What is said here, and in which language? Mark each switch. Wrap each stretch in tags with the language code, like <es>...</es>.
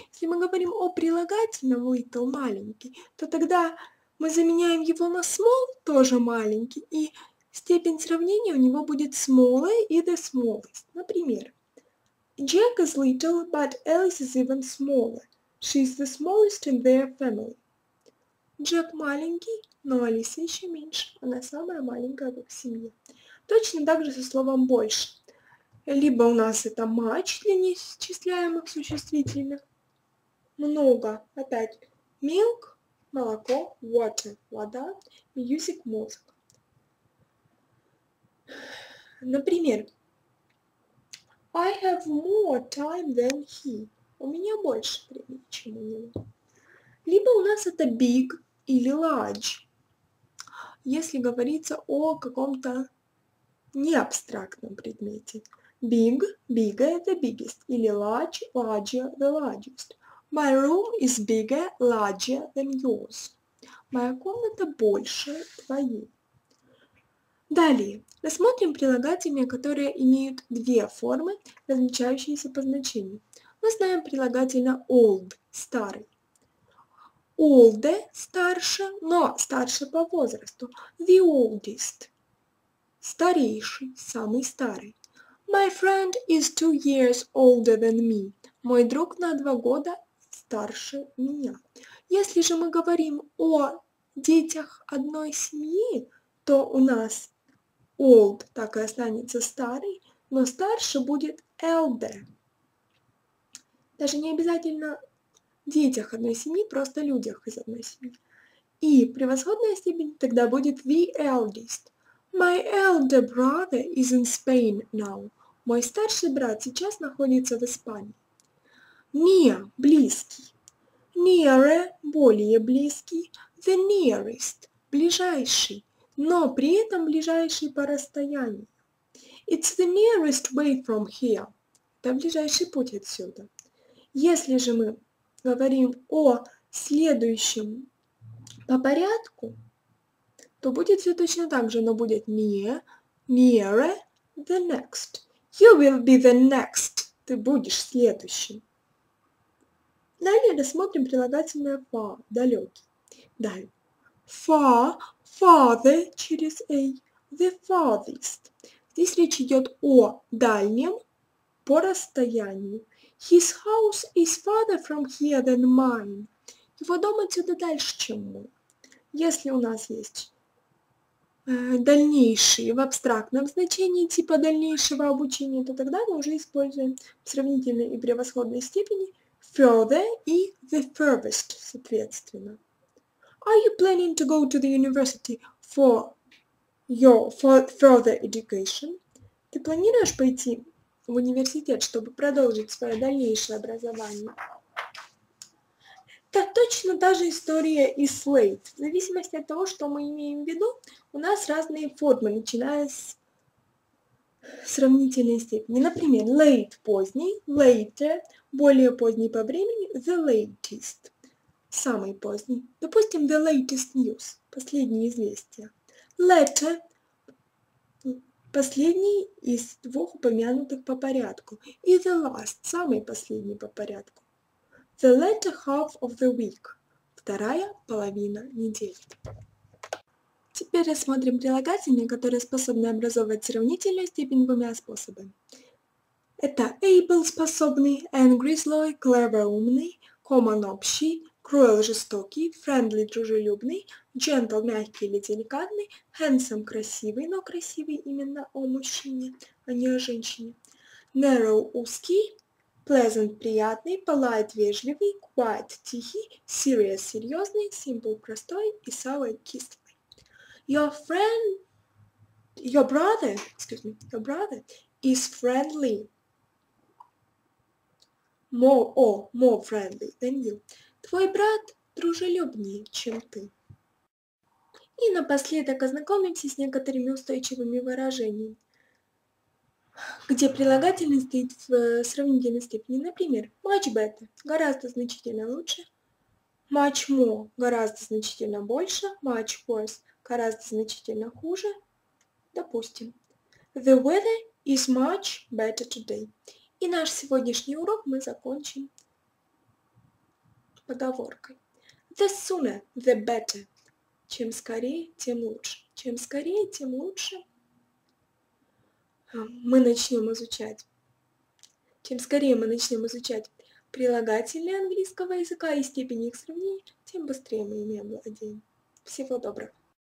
<ru>Если мы говорим о прилагательном little, маленький, то тогда мы заменяем его на small, тоже маленький, и степень сравнения у него будет smaller и the smallest.</ru> <en>Например, Jack is little, but Alice is even smaller. She is the smallest in their family.</en> <ru>Джек маленький, но Алиса еще меньше. Она самая маленькая в их семье. Точно так же со словом больше. Либо у нас это much для неисчисляемых существительных. Много. Опять milk, молоко, water, вода, music, мозг.</ru> <en>Например, I have more time than he.</en> <ru>У меня больше времени, чем у него. Либо у нас это big или large, если говорится о каком-то неабстрактном предмете.</ru> <en>Big, bigger, the biggest. Или large, larger, the largest. My room is bigger, larger than yours.</en> <ru>Моя комната больше твоей. Далее, рассмотрим прилагательные, которые имеют две формы, различающиеся по значению. Мы знаем прилагательное old, старый. Older – старше, но старше по возрасту. The oldest. старейший, самый старый.</ru> <en>My friend is 2 years older than me.</en> <ru>Мой друг на 2 года старше меня. Если же мы говорим о детях одной семьи, то у нас old так и останется старый, но старше будет elder. Даже не обязательно детях одной семьи, просто людях из одной семьи. И превосходная степень тогда будет the eldest.</ru> <en>My elder brother is in Spain now.</en> <ru>Мой старший брат сейчас находится в Испании. Near – близкий. Nearer – более близкий. The nearest – ближайший, но при этом ближайший по расстоянию.</ru> <en>It's the nearest way from here.</en> <ru>Это ближайший путь отсюда. Если же мы говорим о следующем по порядку, то будет все точно так же, но будет near, nearer, the next.</ru> <en>You will be the next.</en> <ru>Ты будешь следующим. Далее рассмотрим прилагательное far, далекий. Далее.</ru> <en>Far, farther, через a, the farthest.</en> <ru>Здесь речь идет о дальнем по расстоянию.</ru> <en>His house is farther from here than mine.</en> <ru>Его дом отсюда дальше, чем мой. Если у нас есть дальнейшие в абстрактном значении, типа дальнейшего обучения, то тогда мы уже используем в сравнительной и превосходной степени further и the furthest, соответственно.</ru> <en>Are you planning to go to the university for your further education?</en> <ru>Ты планируешь пойти в университет, чтобы продолжить свое дальнейшее образование? Это точно та же история и slate. В зависимости от того, что мы имеем в виду, у нас разные формы, начиная с сравнительной степени. Например, late – поздний, later – более поздний по времени, the latest – самый поздний. Допустим,</ru> <en>the latest news</en> <ru>– последние известия. Letter – последний из двух упомянутых по порядку. И the last – самый последний по порядку.</ru> <en>The latter half of the week –</en> <ru>вторая половина недели. Теперь рассмотрим прилагательные, которые способны образовывать сравнительную степень двумя способами. Это able – способный, angry – злой, clever – умный, common – общий, cruel – жестокий, friendly – дружелюбный, gentle – мягкий или деликатный, handsome – красивый, но красивый именно о мужчине, а не о женщине, narrow – узкий, pleasant – приятный, polite – вежливый, quiet – тихий, serious – серьезный, simple – простой и sour – кислый.</ru> <en>Your brother is friendly. More friendly than you.</en> <ru>Твой брат дружелюбнее, чем ты. И напоследок ознакомимся с некоторыми устойчивыми выражениями, где прилагательный стоит в сравнительной степени. Например, much better – гораздо значительно лучше. Much more – гораздо значительно больше. Much worse – гораздо значительно хуже.</ru> <en>Допустим, the weather is much better today.</en> <ru>И наш сегодняшний урок мы закончим поговоркой.</ru> <en>The sooner, the better.</en> <ru>Чем скорее, тем лучше. Чем скорее, тем лучше. Чем скорее мы начнем изучать прилагательные английского языка и степень их сравнений, тем быстрее мы ими овладеем. Всего доброго!</ru>